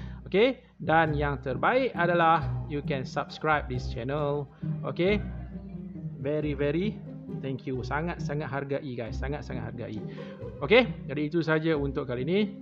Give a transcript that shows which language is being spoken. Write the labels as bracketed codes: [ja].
[en] Okay, [id] dan yang terbaik adalah [en] you can subscribe this channel. Okay, very very thank you. [id] Sangat-sangat hargai guys, sangat-sangat hargai. Okay, jadi itu saja untuk kali ini.